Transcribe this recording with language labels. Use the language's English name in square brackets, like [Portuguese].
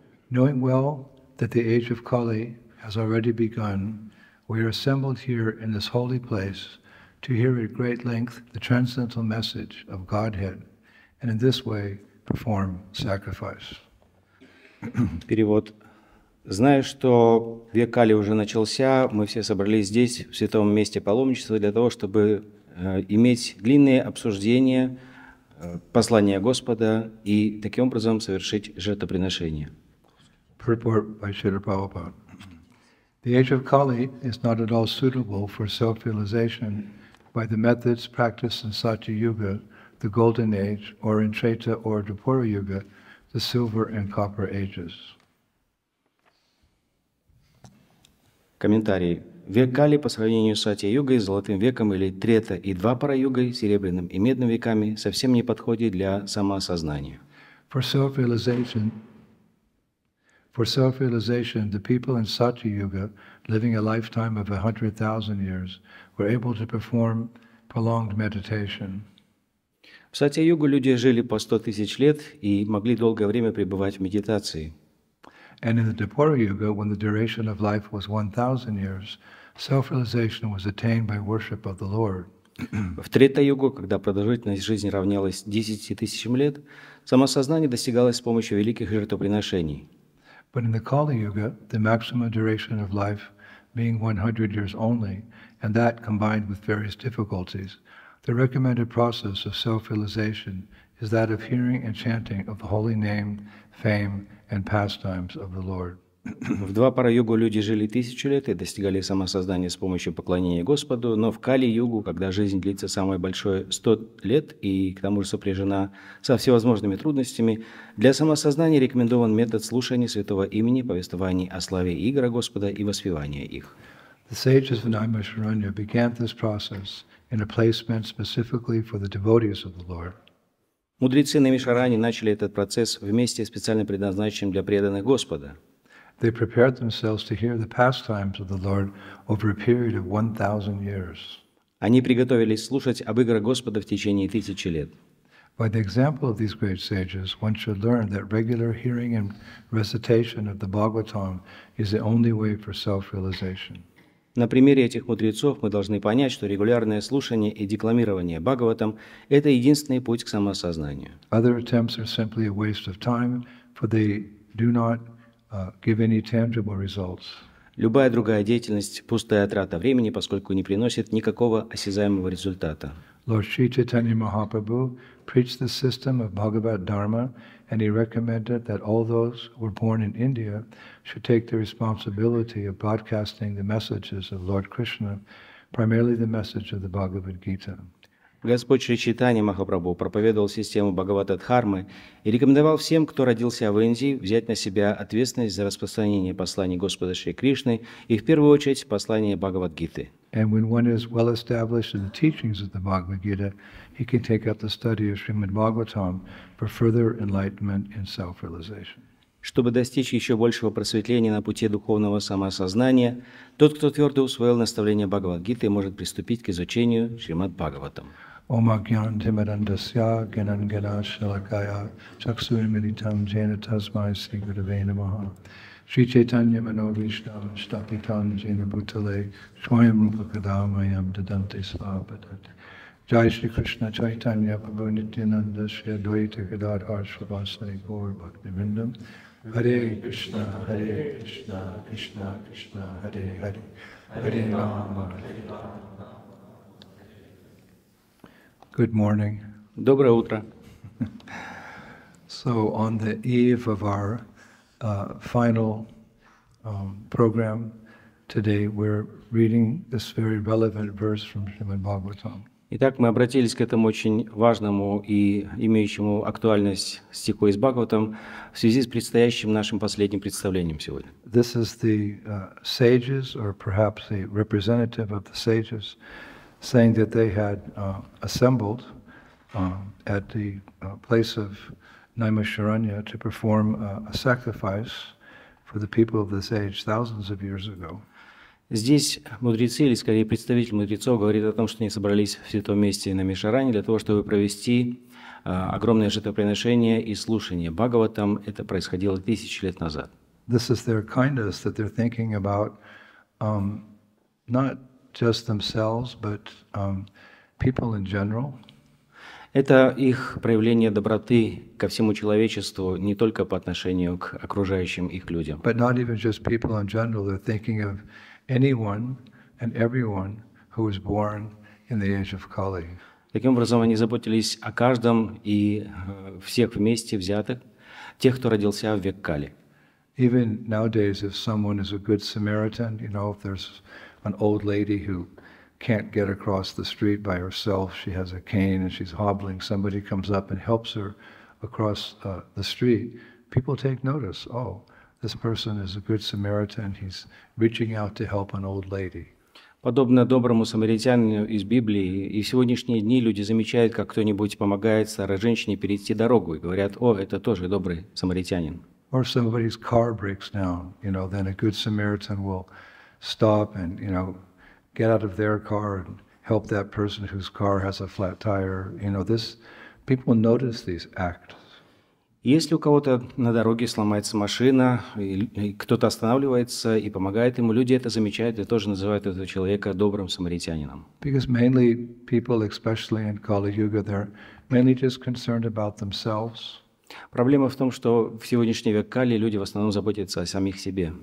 [English] Knowing well that the age of Kali has already begun, we are assembled here in this holy place to hear at great length the transcendental message of Godhead, and in this way perform sacrifice. [Russian] Перевод. Зная, что век Кали уже начался, мы все собрались здесь, в святом месте паломничества, для того, чтобы иметь длинные обсуждения послания Господа и таким образом совершить жертвоприношение. [English] Purport by Srila Prabhupada. The age of Kali is not at all suitable for self-realization by the methods practiced in Satya Yuga, the Golden Age, or in Treta or Dwapara Yuga, the Silver and Copper Ages. [Russian] Комментарий. Век Кали по сравнению с Сатья-югой, Золотым веком или Трета и Двапара-югой, Серебряным и Медным веками, совсем не подходит для самоосознания. [English] For self-realization, the people in Satya-юга, living a lifetime of 100,000 years, were able to perform prolonged meditation. [Russian] В Сатья-югу люди жили по 100 тысяч лет и могли долгое время пребывать в медитации. [English] And in the Dwapara Yuga, when the duration of life was 1,000 years, self-realization was attained by worship of the Lord. [Russian] В Трета-югу, когда продолжительность жизни равнялась 10 тысячам лет, самосознание достигалось с помощью великих жертвоприношений. [English] But in the Kali Yuga, the maximum duration of life being 100 years only, and that combined with various difficulties, the recommended process of self-realization is that of hearing and chanting of the holy name, fame, and pastimes of the Lord. [Russian] В Двапара-югу люди жили тысячу лет и достигали самосознания с помощью поклонения Господу, но в Кали-югу, когда жизнь длится самое большое 100 лет и к тому же сопряжена со всевозможными трудностями, для самосознания рекомендован метод слушания святого имени, повествований о славе игра Господа и воспевания их. [English] The sages of Naimasharanya began this process in a place meant specifically for the devotees of the Lord. [Russian] Мудрецы Наймишарани начали этот процесс в месте, специально предназначенном для преданных Господа. [English] They prepared themselves to hear the pastimes of the Lord over a period of 1,000 years. [Russian] Они приготовились слушать об играх Господа в течение тысячи лет. [English] By the example of these great sages, one should learn that regular hearing and recitation of the Bhagavatam is the only way for self-realization. [Russian] На примере этих мудрецов мы должны понять, что регулярное слушание и декламирование Бхагаватам – это единственный путь к самосознанию. [English] Other attempts are simply a waste of time, for they do not give any tangible results. [Russian] Любая другая деятельность – пустая трата времени, поскольку не приносит никакого осязаемого результата. [English] Lord Sri Chaitanya Mahaprabhu preached the system of Bhagavad Dharma, and he recommended that all those who were born in India should take the responsibility of broadcasting the messages of Lord Krishna, primarily the message of the Bhagavad Gita. [Russian] Господь Шри Чайтанья Махапрабху проповедовал систему Бхагавата-дхармы и рекомендовал всем, кто родился в Индии, взять на себя ответственность за распространение посланий Господа Шри Кришны и, в первую очередь, послание Бхагавад-гиты. [English] And when one is well established in the teachings of the Bhagavad Gita, he can take up the study of Srimad Bhagavatam for further enlightenment and self-realization. [Russian] Чтобы достичь еще большего просветления на пути духовного самосознания, тот, кто твердо усвоил наставление Бхагавад-гиты, может приступить к изучению Шримад-Бхагаватам. [Sanskrit] Омагьян тимарандасья генангена шалакая чаксуримилитам джейнатазмай сигуравейнамаха Шри Чайтанья Мановишнам штапитан джейнабутале шуайм рупакадамайам даданте свабадат Jai Shri Krishna Chaitanya Prabhu Nityananda Shri Advaita Gadadhar Harshvabhasani Gaur Bhaktivindam Hare Krishna, Krishna Krishna, Hare Hare, Hare Rama, Hare Rama. [English] Good morning. [Russian] Доброе утро. [English] So on the eve of our final program today, we're reading this very relevant verse from Srimad Bhagavatam. [Russian] Итак, мы обратились к этому очень важному и имеющему актуальность стиху из Бхагаватам в связи с предстоящим нашим последним представлением сегодня. [English] This is the sages, or perhaps the representative of the sages, saying that they had assembled at the place of Naimasharanya to perform a sacrifice for the people of this age thousands of years ago. [Russian] Здесь мудрецы, или скорее представитель мудрецов, говорит о том, что они собрались в святом месте на Мишаране для того, чтобы провести огромное жертвоприношение и слушание Бхагаватам. Это происходило тысячи лет назад. [English] This is their kindness, that they're thinking about not just themselves, but people in general. [Russian] Это их проявление доброты ко всему человечеству, не только по отношению к окружающим их людям. [English] But not even just people in general, they're thinking of anyone and everyone who was born in the age of Kali. [Russian] Таким образом, они заботились о каждом и всех вместе взятых, тех, кто родился в век Кали. [English] Even nowadays, if someone is a good Samaritan, you know, if there's an old lady who can't get across the street by herself, she has a cane and she's hobbling, somebody comes up and helps her across the street, people take notice. Oh, this person is a good Samaritan, he's reaching out to help an old lady. [Russian] Подобно доброму самаритянину из Библии, и в сегодняшние дни люди замечают, как кто-нибудь помогает старой женщине перейти дорогу, и говорят, о, это тоже добрый самаритянин. [English] Or somebody's car breaks down, you know, then a good Samaritan will stop and, you know, get out of their car and help that person whose car has a flat tire. You know, this, people notice these acts. [Russian] Если у кого-то на дороге сломается машина, и кто-то останавливается и помогает ему, люди это замечают и тоже называют этого человека добрым самаритянином. [English] Because mainly people, especially in Kali Yuga, they're mainly just concerned about themselves. [Russian] Проблема в том, что в сегодняшний век Кали люди в основном заботятся о самих себе.